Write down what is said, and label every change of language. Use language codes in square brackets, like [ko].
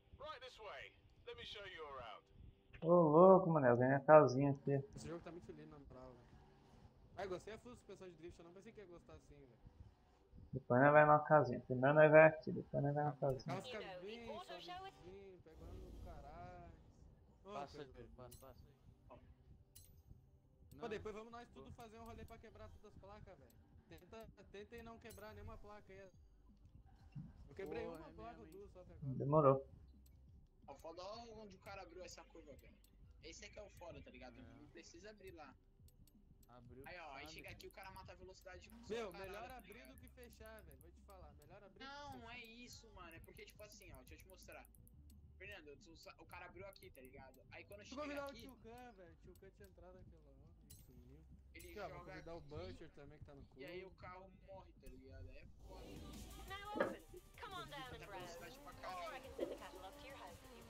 [en] Right this way, let me show you around. [pt] Ô louco, mané, eu ganhei a casinha aqui. Esse jogo tá muito lindo na prova. Ah, gostei a full suspensão de drift, eu não pensei que ia gostar assim, velho. Depois nós vai na casinha. Primeiro nós vai aqui, depois nós vai na casinha. Casca bem, sozinho, pegando no caralho. Passa aí, passa aí. Pô, depois vamos nós tudo fazer um rolê pra quebrar todas as placas, velho. Tenta não quebrar nenhuma placa aí. Eu quebrei uma placa ou duas só até agora. Demorou. O foda é onde o cara abriu essa curva, velho. Esse aqui é o foda, tá ligado? É. Não precisa abrir lá. Abriu. Aí ó, aí chega aqui o cara mata a velocidade. Meu, melhor abrir do que fechar, velho. Vou te falar, melhor abrir. Não, é isso, mano. É porque, tipo assim, ó, deixa eu te mostrar. Fernando, o cara abriu aqui, tá ligado? Aí quando chega aqui... Vou convidar o Tio Khan, velho. Tio Khan tinha entrado aqui lá, ó. Isso, meu. Ele joga aqui. Vou convidar o Butcher também, que tá no clube. E aí o carro morre, tá ligado? É foda. [en] Now open. Come on down and drive. Before I can send the catalog to your house.